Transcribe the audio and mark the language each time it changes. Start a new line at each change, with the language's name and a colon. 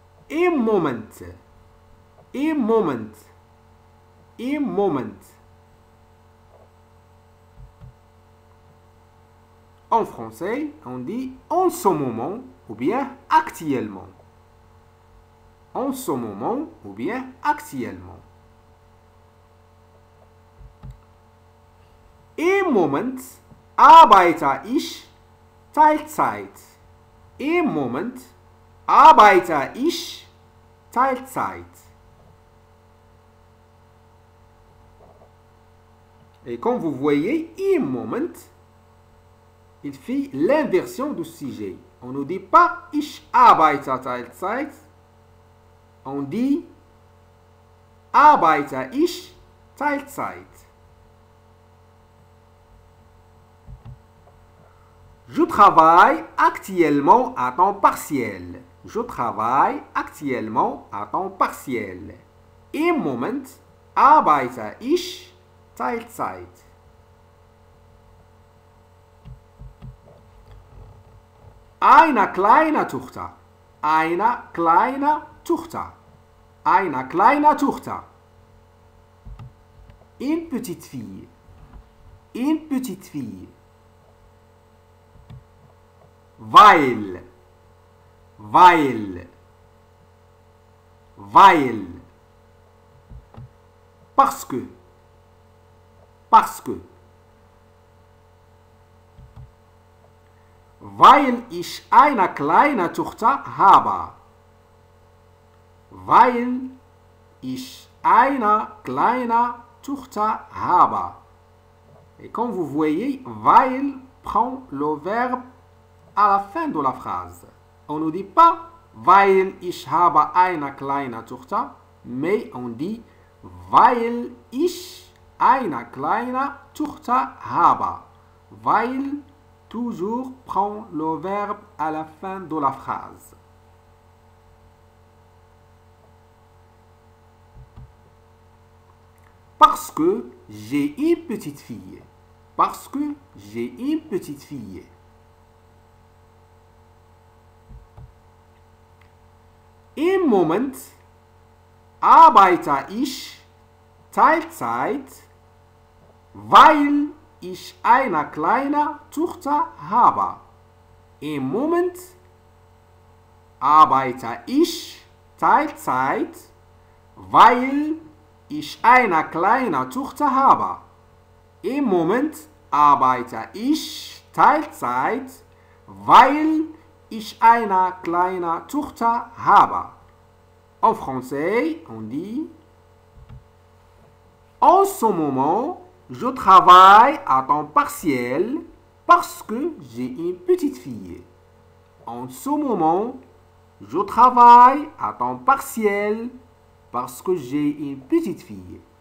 German: Im Moment. Im Moment. Im Moment.
French: En français, on dit en ce moment ou bien actuellement. En ce moment ou bien actuellement.
German: Im Moment arbeite ich Teilzeit. Im Moment arbeite ich Teilzeit.
French: Et comme vous voyez,
German: im Moment,
French: il fait l'inversion du sujet. On ne dit pas
German: ich arbeite Teilzeit.
French: On dit
German: arbeite ich Teilzeit.
French: Je travaille actuellement à temps partiel. Je travaille actuellement à temps partiel.
German: Im Moment arbeite ich Teilzeit. Eine kleine Tochter. Eine kleine Tochter. Eine kleine Tochter.
French: Une petite fille. Une petite fille.
German: Weil, weil, weil,
French: parce que,
German: weil ich eine kleine Tochter habe, weil ich eine kleine Tochter habe.
French: Et comme vous voyez, weil prend le verbe à la fin de la phrase. On ne dit pas
German: weil ich habe eine kleine Tochter,
French: mais on dit
German: weil ich eine kleine Tochter habe.
French: Weil toujours prend le verbe à la fin de la phrase. Parce que j'ai une petite fille. Parce que j'ai une petite fille.
German: Im Moment arbeite ich Teilzeit, weil ich eine kleine Tochter habe. Im Moment arbeite ich Teilzeit, weil ich eine kleine Tochter habe. Im Moment arbeite ich Teilzeit, weil ich eine kleine Tochter habe.
French: En français, on dit: En ce moment, je travaille à temps partiel parce que j'ai une petite fille. En ce moment, je travaille à temps partiel parce que j'ai une petite fille.